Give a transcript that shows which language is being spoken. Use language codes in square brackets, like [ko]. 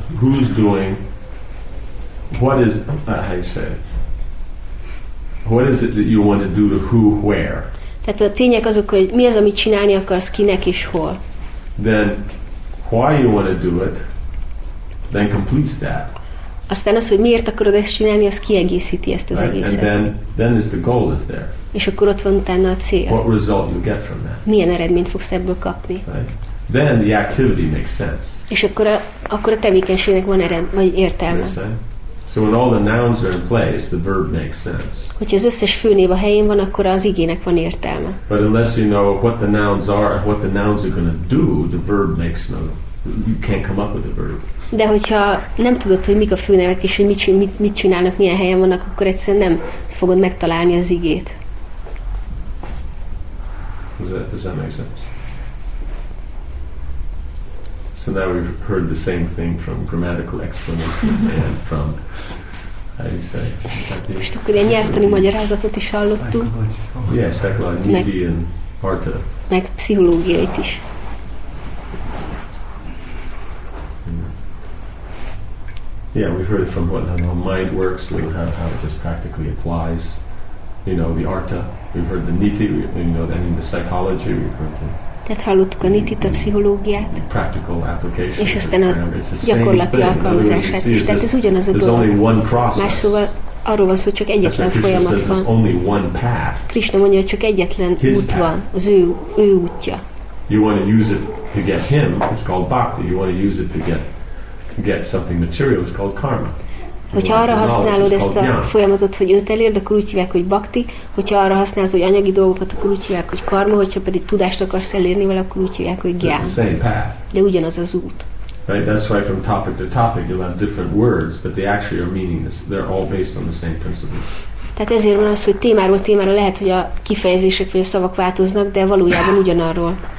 [en] Who's doing what is, how you say it? What is it that you want to do to who, where? [hu] Tehát a tények azok, hogy mi az, amit csinálni akarsz, kinek és hol. [en] Then why you want to do it, then completes that. [hu] Aztán az, hogy miért akarod ezt csinálni, az kiegészíti ezt az [en] right, [hu] egészet. [en] And then is the goal is there. [hu] És akkor ott van utána a cél. [en] What result you get from that? [hu] Milyen eredményt fogsz ebből kapni? [en] Right. Then the activity makes sense. [hu] És akkor a tevékenységnek van vagy értelme. [en] So when all the nouns are in place, the verb makes sense. [hu] Hogyha az összes főnév a helyén van, akkor az igének van értelme. [en] But unless you know what the nouns are, what the nouns are going to do, the verb makes no. You can't come up with a verb. [hu] De hogyha nem tudod, hogy mik a főnevek és hogy mit csinálnak, milyen helyen vannak, akkor egyszerűen nem fogod megtalálni az igét. [en] Does that make sense? So now we've heard the same thing from grammatical explanation and from, how do you say? [hu] Most akkor ilyen nyelvtani magyarázatot is hallottunk. [en] Yes, psychological, Nidhi and Arta. [hu] Meg pszichológiait is. [en] Yeah, we've heard from how mind works, how it just practically applies. You know, the Artha. We've heard the Niti. The psychology. We've heard the. [hu] Tehát hallottuk a Nitit, a pszichológiát. [en] Practical application. [hu] És aztán a gyakorlati alkalmazását is. Tehát ez ugyanaz a dolog. Más szóval arról van szó, hogy csak egyetlen folyamat van. Krishna mondja, hogy csak egyetlen út van, az ő útja. [en] You want to use it to get him. It's called bhakti. You want to use it to get something material is called karma. [hu] Hogyha arra használod ezt a folyamatot, hogy őt elérd, akkor úgy hívják, hogy bhakti, hogyha arra használod, hogy anyagi dolgokat, akkor úgy hívják, hogy karma, hogyha pedig tudást akarsz elérni vele, akkor úgy hívják, hogy gyan. De ugyanaz az út. [en] Right, that's why from topic to topic you'll have different words, but they actually are meaningless. They're all based on the same principles. [hu] Tehát ezért van az, hogy témáról témára lehet, hogy a kifejezések vagy a szavak változnak, de valójában ugyanarról.